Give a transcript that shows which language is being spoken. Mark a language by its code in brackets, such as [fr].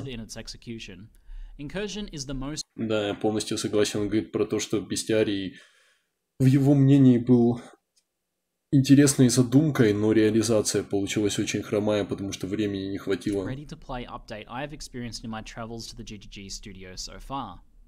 [en] In its execution, incursion is the most. [ru] Да, я полностью согласен. Он говорит про то, что бестиарий в его мнении был интересной задумкой, но реализация получилась очень хромая, потому что времени не хватило. [en] Ready to play update. I have experienced in my travels to the GGG studio so far.